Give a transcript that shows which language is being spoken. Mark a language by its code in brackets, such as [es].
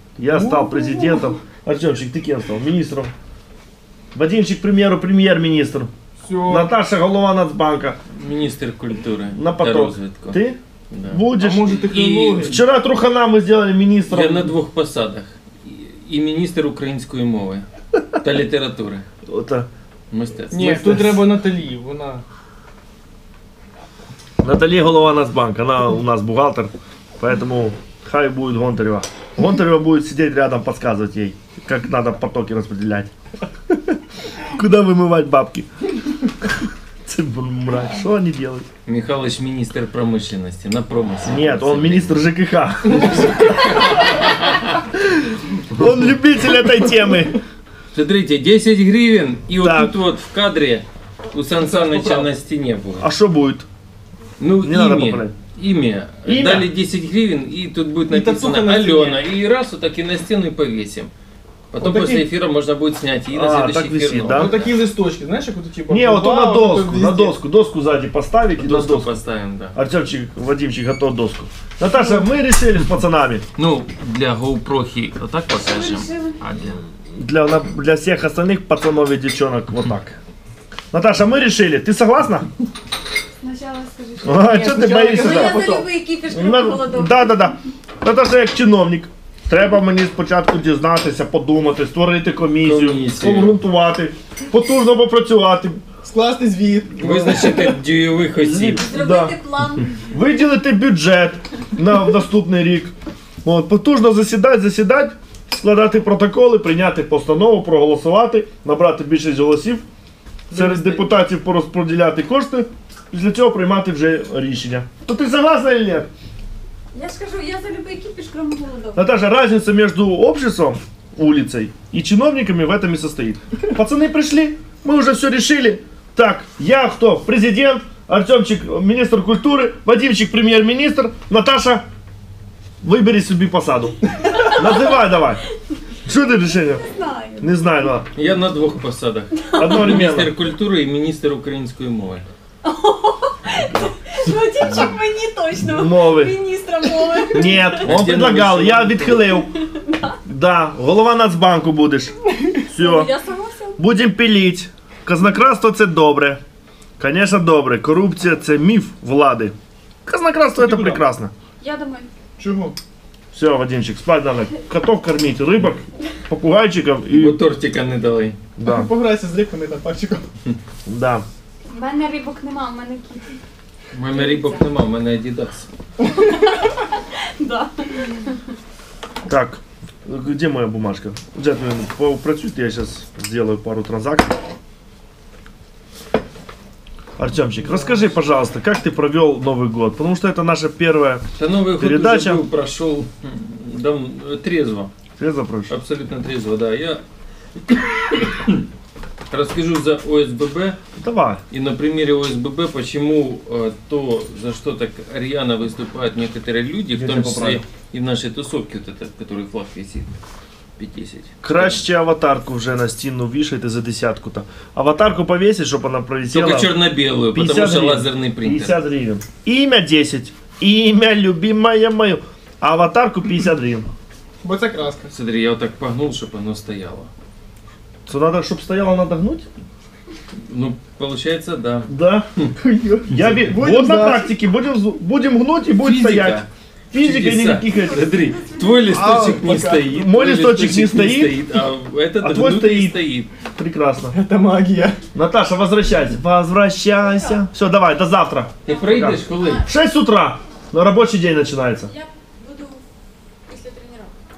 [ru] Я стал президентом. Артемчик, ты кем стал? Министром. Вадимчик, к примеру, премьер-министр. Все. Наташа, голова Нацбанка. Министр культуры. На поток. [uk] Развитку. [ru] Ты? Да. Будешь. А может, и вчера трухана мы сделали министром. [uk] Я на двух посадах. [ru] И министр украинской мовы. Та литературы. Это... [uk] Мистецтво. Нет, тут треба Наталі, вона... [ru] Наталі голова Нацбанка, она у нас бухгалтер. Поэтому хай будет Гонтарева. Гонтарева будет сидеть рядом, подсказывать ей, как надо потоки распределять. Куда вымывать бабки. [uk] Це мрак. Що вони делають? Михайлович міністр промисленності на промисленості. Ні, він міністр ЖКХ. Він любитель этой темы. [ru] Смотрите, 10 гривен, і так. [uk] Отут вот в кадрі у Сан Саныча на стіні буде. А що буде? Ну, не ім'я. Надо ім'я. Ім'я. Дали 10 гривен, і тут буде написано Альона. І раз отак і на стіну повісимо. [ru] Потом вот после эфира можно будет снять и на следующий эфир. Да? Вот такие листочки, знаешь, как вот типа. Не, вот он на доску. Доску сзади поставить и доску. Доску поставим, да. Артемчик, Вадимчик, готов доску. Наташа, мы решили с пацанами. Ну, для GoProхи вот так посажем. А для всех остальных пацанов и девчонок вот так. Наташа, мы решили. Ты согласна? Сначала скажи, что. А, что ты боишься? Ну, я за любые кипиш, как холодок. Да. Наташа, как чиновник. [uk] Треба мені спочатку дізнатися, подумати, створити комісію. Обґрунтувати, потужно попрацювати. Скласти звіт. Визначити дієвих осіб. Зробити план. Виділити бюджет на наступний рік. От, потужно засідати, складати протоколи, прийняти постанову, проголосувати, набрати більшість голосів, серед депутатів порозподіляти кошти, після цього приймати вже рішення. То ти согласна чи ні? [ru] Я скажу, я за любой кипиш, кроме голодов. Наташа, разница между обществом, улицей и чиновниками в этом и состоит. Пацаны пришли, мы уже все решили. Так, я кто? Президент, Артемчик, министр культуры, Вадимчик, премьер-министр, Наташа, выбери себе посаду. Называй давай. Что ты решение? Не знаю. Не знаю, да. Я на двух посадах. Одновременно. Министр культуры и министр украинской мовы. [uk] Вадимчик мені точно. Мови. Міністра мови. Ні, він предлагав, я відхилив. Да. Голова Нацбанку будеш. Все. [ru] Я согласен. Будем пилить. [uk] Казнокрадство це добре. Звісно, добре. Корупція це міф влади. Казнокрадство це прекрасно. [ru] Я думаю. [uk] Чого? [ru] Все, Вадимчик, спать дали. [uk] Котов кормити, рибок, попугайчиків і... Бо тортика не дали. [ru] Да. [uk] Пограйся з рибками та пальчиком. [ru] Да. [uk] У мене рибок нема, у мене кіт. У мене рибок нема, у мене Adidas. [ru] Да. Так, где моя бумажка? [uk] Джентльмен, попрацюйте, я зараз зроблю пару транзакцій. [ru] Артемчик, расскажи, пожалуйста, как ты провел Новый год? Потому что это наша первая передача. Да, Новый год передача. Уже был, прошел трезво. Трезво прошел? Абсолютно трезво, да. Я расскажу за ОСББ. Давай. И на примере ОСББ, почему то, за что так рьяно выступают некоторые люди, в том числе и в нашей тусовке, вот этот, который флаг висит. 50. [uk] Краще аватарку вже на стіну вішайте за десятку там. Аватарку повісить, щоб вона пролетіла. Тільки чорно-білу, тому що лазерний принтер. 50 гривень. Ім'я 10. Ім'я любимая моя. Аватарку 50 гривень. Бо це краска. Смотри, я отак погнув, щоб воно стояло. Це треба, щоб стояло, треба гнути? Ну, виходить, да. [ru] Да. [uk] Я от на практиці, будем гнути і будем стояти. [ru] Физика никаких этих. Смотри, твой листочек не стоит. Мой листочек не стоит. А твой стоит. Прекрасно. Это магия. Наташа, возвращайся. Возвращайся. Все, давай, до завтра. Ты проедешь, коли? 6 утра. Но рабочий день начинается. Я буду после тренировки.